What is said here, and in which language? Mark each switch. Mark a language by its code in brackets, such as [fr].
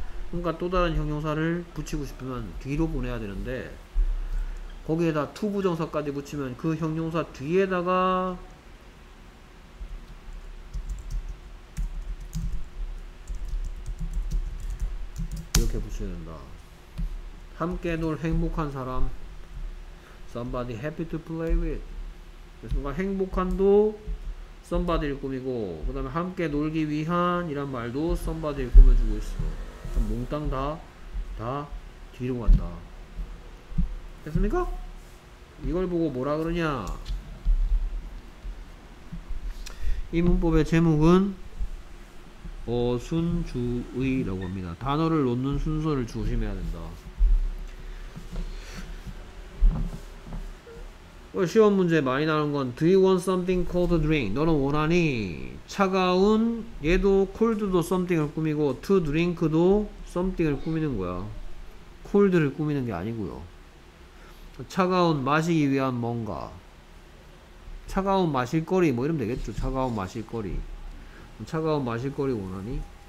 [ko] 그러니까 또 다른 형용사를 붙이고 싶으면 뒤로 보내야 되는데 거기에다 to 부정사까지 붙이면 그 형용사 뒤에다가 이렇게 붙여야 된다. 함께 놀 행복한 사람 [en] somebody happy to play with. [ko] 그러니까 행복한도 somebody를 꾸미고 그 다음에 함께 놀기 위한 이란 말도 somebody를 꾸며주고 있어. 몽땅 다 뒤로 간다. 됐습니까? 이걸 보고 뭐라 그러냐, 이 문법의 제목은 어순주의라고 합니다. 단어를 놓는 순서를 조심해야 된다. 시험 문제 많이 나오는 건 [en] Do you want something cold to drink? [ko] 너는 원하니? 차가운 얘도 cold도 something을 꾸미고 to drink도 something을 꾸미는 거야. cold를 꾸미는 게 아니고요. 차가운 마시기 위한 뭔가 차가운 마실거리 뭐 이러면 되겠죠. 차가운 마실거리 차가운 마실거리 원하니?